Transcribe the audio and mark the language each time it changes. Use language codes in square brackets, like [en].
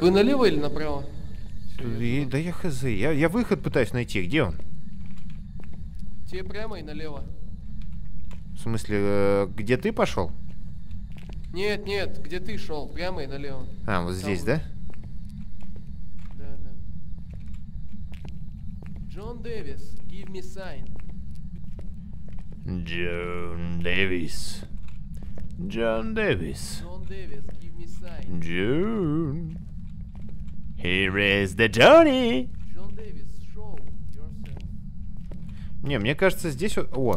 [ru] вы налево или направо? Да я хз, я выход пытаюсь найти, где он? Тебе прямо и налево. В смысле, где ты пошел? Нет, нет, где ты шел, прямо и налево. А, вот там здесь, вот. Да? Да, да. [en] Джон Дэвис, give me sign. Джон Дэвис. Джон Дэвис. Джон Дэвис, give me sign. Джон. Here is the journey. Джон Дэвис, show yourself. [ru] Не, мне кажется, здесь вот...